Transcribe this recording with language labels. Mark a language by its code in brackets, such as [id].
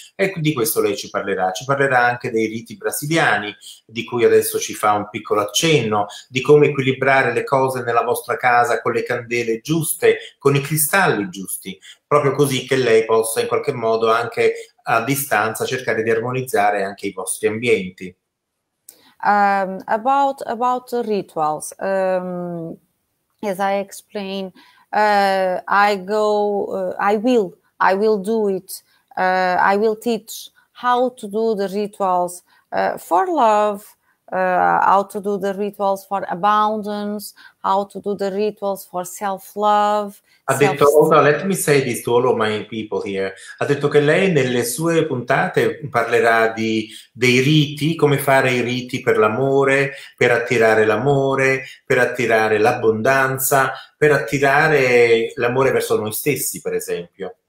[it] E di questo lei ci parlerà. Ci parlerà anche dei riti brasiliani, di cui adesso ci fa un piccolo accenno, di come equilibrare le cose nella vostra casa con le candele giuste, con i cristalli giusti, proprio così che lei possa in qualche modo anche a distanza cercare di armonizzare anche i vostri ambienti. [en] About the rituals, as I explain, I will teach how to do the rituals for love, how to do the rituals for abundance, how to do the rituals for self-love. [it] Ha detto, [en] oh, let me say this to all of my people here. [it] Ha detto che lei nelle sue puntate parlerà dei riti, come fare i riti per l'amore, per attirare l'amore, per attirare l'abbondanza, per attirare l'amore verso noi stessi, per esempio.